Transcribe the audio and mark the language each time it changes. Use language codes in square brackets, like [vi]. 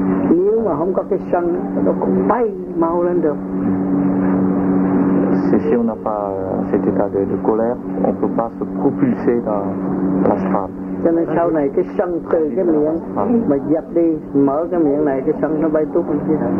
[vi] Nếu mà không có cái sân, nó cũng bay mau lên được. [fr] Si on n'a pas cet état de colère, on ne peut pas se propulser dans la strade. [vi] Cho nên sau này cái sân từ cái miệng mà dập đi, mở cái miệng này, cái sân nó bay tout lên kia.